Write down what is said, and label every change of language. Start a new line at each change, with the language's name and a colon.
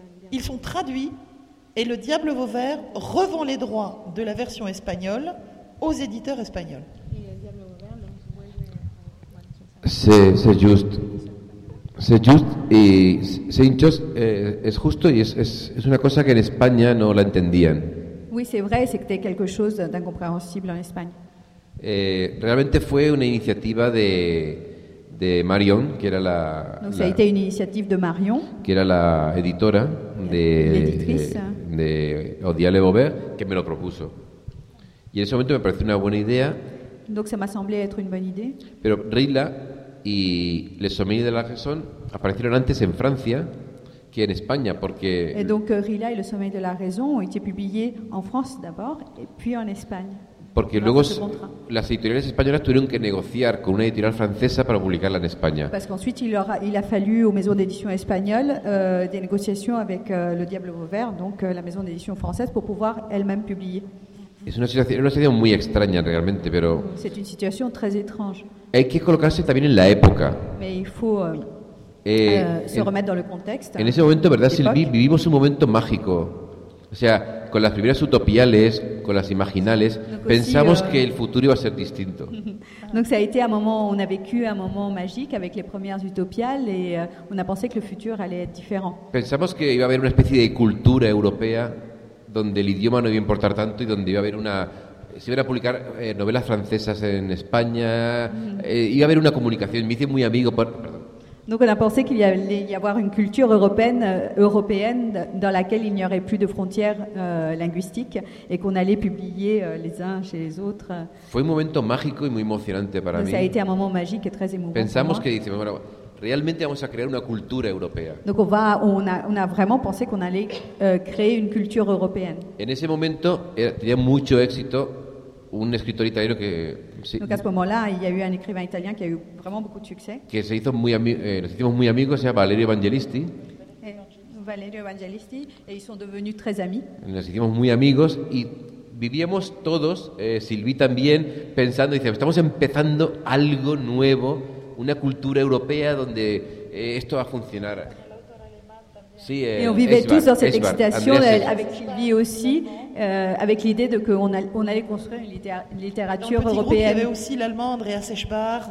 French: Ils sont traduits et le Diable Vauvert revend les droits de la version espagnole aux éditeurs espagnols. C'est juste. C'est juste
Spanish: y
French: c'est
Spanish: es justo y es una cosa que en España no la entendían.
French: Oui, c'est vrai, c'était quelque chose d'incompréhensible en Espagne.
Spanish: Realmente fue una iniciativa de Marion, que era la.
French: Donc ça a été une initiative de Marion.
Spanish: Que era la editora de Odiale Bover, que me lo propuso. Y en ese momento me pareció una buena idea.
French: Donc ça m'a semblé être une bonne idée.
Spanish: Pero Rila y Les Sommeliers de la Raison aparecieron antes en Francia que en España porque
French: et donc Rila y Le Sommeil de la Raison ont été publiés en France d'abord et puis en Espagne
Spanish: porque luego las editoriales españolas tuvieron que negociar con una editorial francesa para publicarla en España
French: parce qu'ensuite il a fallu aux maisons d'édition espagnoles des négociations avec Le Diable Vauvert donc la maison d'édition française pour pouvoir elle-même publier
Spanish: Es una situación muy extraña realmente, pero
French: c'est une situation très étrange.
Spanish: Hay que colocarse también en la época.
French: Mais il faut se remettre dans le contexte.
Spanish: En ese momento, ¿verdad, Sylvie? Vivimos un momento mágico. O sea, con las primeras utopiales, con las imaginales, pensamos que el futuro iba a ser distinto.
French: Donc ça a été un moment, on a vécu un moment magique avec les premières utopiales et on a pensé que le futur allait être différent.
Spanish: Pensamos que iba a haber una especie de cultura europea donde el idioma no iba a importar tanto y donde iba a haber una, se iban a publicar novelas francesas en España, iba a haber una comunicación, me hice muy amigo por, perdón.
French: Donc on a pensé qu'il y allait y avoir une culture européenne dans laquelle il n'y aurait plus de frontières linguistiques et qu'on allait publier les uns chez les autres.
Spanish: Fue un momento mágico y muy emocionante para mí.
French: Ça a été un moment magique et très émouvant.
Spanish: Pensamos que dice, bueno, realmente vamos a crear una cultura europea.
French: Donc on a vraiment pensé qu'on allait créer une culture européenne.
Spanish: En ese momento tenía mucho éxito un escritor italiano que
French: donc à ce moment-là, il y a eu un écrivain italien qui a eu vraiment beaucoup de succès.
Spanish: Que se hizo muy nos hicimos muy amigos, se llama Valerio Evangelisti.
French: Valerio Evangelisti et ils sont devenus très amis.
Spanish: Nos hicimos muy amigos y vivíamos todos, Sylvie también, pensando, dice, estamos empezando algo nuevo, una cultura europea donde esto va a funcionar.
French: Sí, et on vivait tous dans cette excitation avec Sylvie aussi. Avec l'idée de qu'on allait construire une littérature européenne. Il y avait aussi l'allemand Andreas Eschbach.